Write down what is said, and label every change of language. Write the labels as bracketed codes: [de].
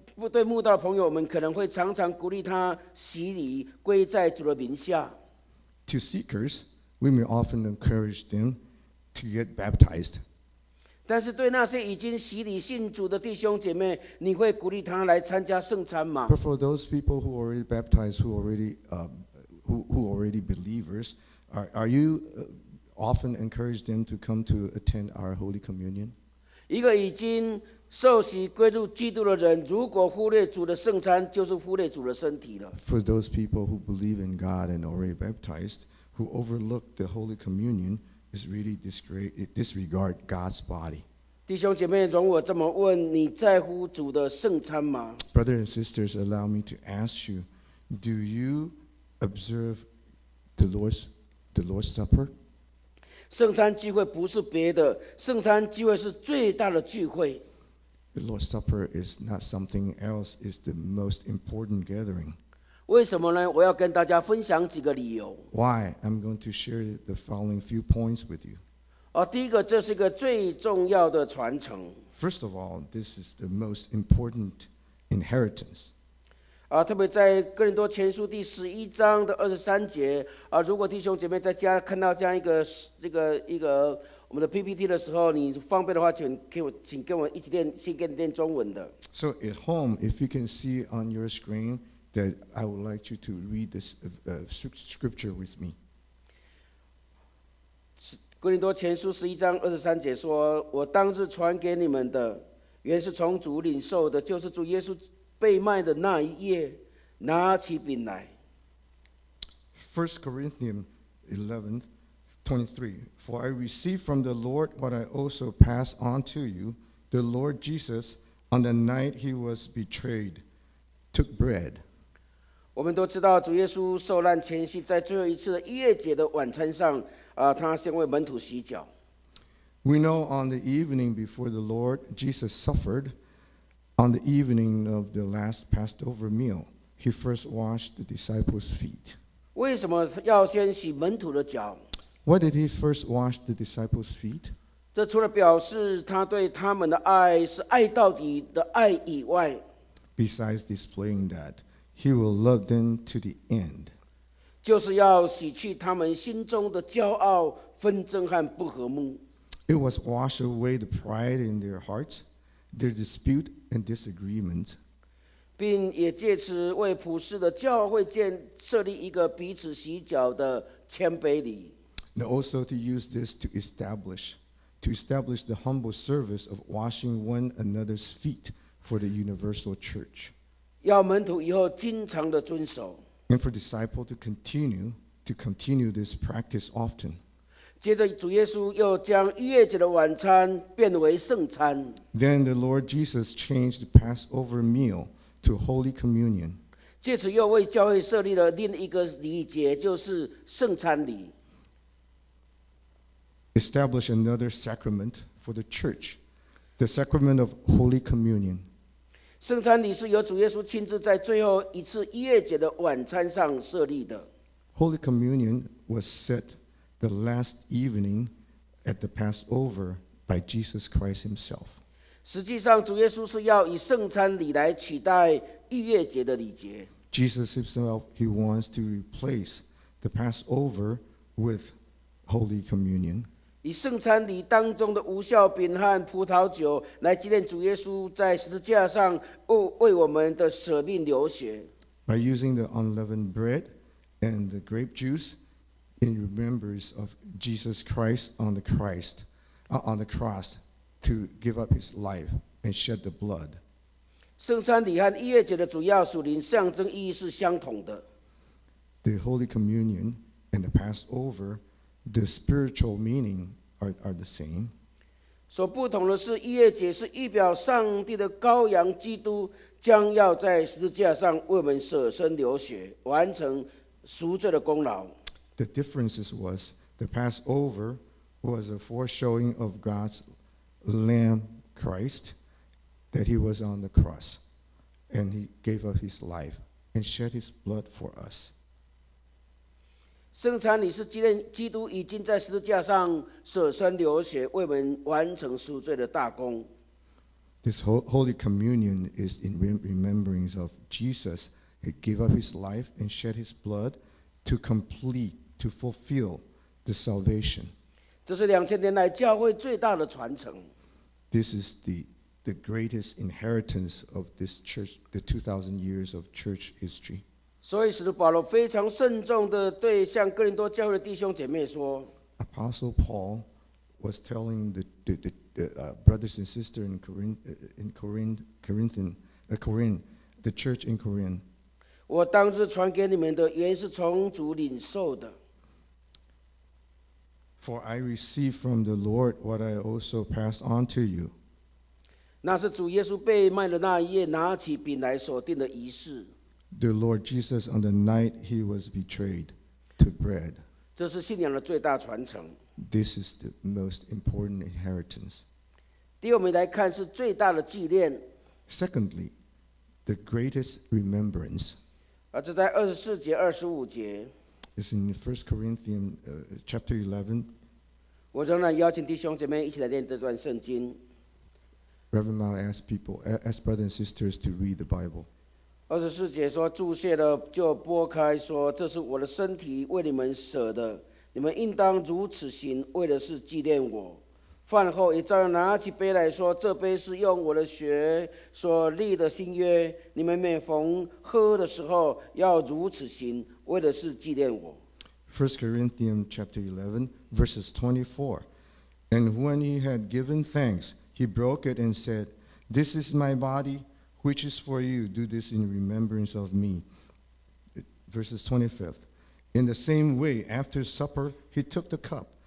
[zh] 对慕道的朋友们，可能会常常鼓励他洗礼归在主的名下。 [en] To seekers, we may often encourage them to get baptized. [zh] 但是对那些已经洗礼信主的弟兄姐妹，你会鼓励他来参加圣餐吗？ [en] But for those people who are already baptized, who already believers, are you often encourage them to come to attend our Holy Communion? [zh] 一个已经受洗归入基督的人，如果忽略主的圣餐，就是忽略主的身体了。 [en] For those people who believe in God and already baptized, who overlook the Holy Communion,is really disregard God's body. [zh] 弟兄姐妹，容我这么问，你在乎主的圣餐吗？ [en] Brothers and sisters, allow me to ask you, do you observe the Lord's Supper? [zh] 圣餐聚会不是别的，圣餐聚会是最大的聚会。 [en] The Lord's Supper is not something else, it's the most important gathering. [zh] 为什么呢？我要跟大家分享几个理由。 [en] Why? I'm going to share the following few points with you. [zh] 第一个，这是一个最重要的传承。 [en] First of all, this is the most important inheritance. [zh] 特别在哥林多前书第十一章的二十三节，如果弟兄姐妹在家看到这样一个我们的 PPT 的时候，你方便的话，请跟我一起练，先跟你练中文的。 [en] So at home, if you can see on your screen,that I would like you to read this scripture with me. [zh] 哥林多前书十一章二十三节说，我当日传给你们的，原是从主领受的，就是主耶稣被卖的那一夜，拿起饼来。 [en] 1 Corinthians 11:23, For I received from the Lord what I also pass on to you, the Lord Jesus, on the night he was betrayed, took bread. [zh] 我们都知道主耶稣受难前夕，在最后一次的月节的晚餐上，他先为门徒洗脚。 [en] We know on the evening before the Lord Jesus suffered, on the evening of the last Passover meal, He first washed the disciples' feet. [zh] 为什么要先洗门徒的脚？ [en] Why did he first wash the disciples' feet? [zh] 这除了表示他对他们的爱是爱到底的爱以外， [en] Besides displaying that, he will love them to the end. [zh] 就是要洗去他们心中的骄傲、纷争和不和睦。 [en] It was wash away the pride in their hearts, their dispute and disagreement. [zh] 并也借此为普世的教会建设立一个彼此洗脚的谦卑礼。 [en] And also to use this to establish the humble service of washing one another's feet for the universal church. [zh] 要门徒以后经常的遵守。 [en] And for disciple to continue this practice often. [zh] 接着主耶稣又将逾越节的晚餐变为圣餐。 [en] Then the Lord Jesus changed the Passover meal to Holy Communion. [zh] 借此又为教会设立了另一个礼节，就是圣餐礼。 [en] Establish another sacrament for the church, the sacrament of Holy Communion. [zh] 圣餐礼是由主耶稣亲自在最后一次逾越节的晚餐上设立的。 [en] Holy Communion was set. The last evening at the Passover by Jesus Christ himself. [zh] 实际上主耶稣是要以圣餐礼来取代逾越节的礼节。 [en] Jesus himself, he wants to replace the Passover with Holy Communion. [zh] 以圣餐礼当中的无酵饼和葡萄酒来纪念主耶稣在十字架上为我们的舍命流血。 [en] By using the unleavened bread and the grape juice,In remembrance of Jesus Christ on the cross to give up his life and shed the blood. [zh] 圣餐礼和逾越节的主要属灵象征意义是相同的。 [en] The Holy Communion and the Passover, the spiritual meaning are the same. [zh] 所不同的是逾越节是预表上帝的羔羊基督将要在十字架上为我们舍身流血，完成赎罪的功劳。 [en] The difference was the Passover was a foreshowing of God's Lamb Christ that he was on the cross and he gave up his life and shed his blood for us. [zh] 圣餐礼是纪念基督已经在十字架上舍身流血为我们完成赎罪的大功。 [en] This Holy Communion is in remembrance of Jesus who gave up his life and shed his blood to completeTo fulfill the salvation. [zh] 这是两千年来教会最大的传承。 [en] This is the greatest inheritance of this church, the 2,000 years of church history. [zh] 所以使徒保罗非常慎重地对向哥林多教会的弟兄姐妹说。 [en] Apostle Paul was telling the brothers and sisters in Corinth, the church in Corinth. [zh] 我当日传给你们的原是从主领受的。 [en] For I received from the Lord what I also passed on to you. [zh] 那是主耶稣被卖的那夜拿起饼来所定的仪式。 [en] The Lord Jesus on the night he was betrayed took bread. [zh] 这是信仰的最大传承。 [en] This is the most important inheritance. [zh] 第二，我们来看是最大的纪念。 [en] Secondly, the greatest remembrance. [zh] 而这在24节、25节。 [en] It's in 1 Corinthians chapter 11. [zh] 我仍然邀请弟兄姐妹一起来念这段圣经。 [en] Reverend Mao asked brothers and sisters to read the Bible. [zh] 24节说，祝谢了就拨开说，这是我的身体为你们舍的，你们应当如此行，为的是纪念我。饭后也照样拿起杯来说，这杯是用我的血所立的新约，你们每逢喝的时候要如此行，为的是纪念我。 [en] 1 Corinthians chapter 11 verses 24 And when he had given thanks, he broke it and said, This is my body, which is for you. Do this in remembrance of me. Verses 25 In the same way, after supper, he took the cup.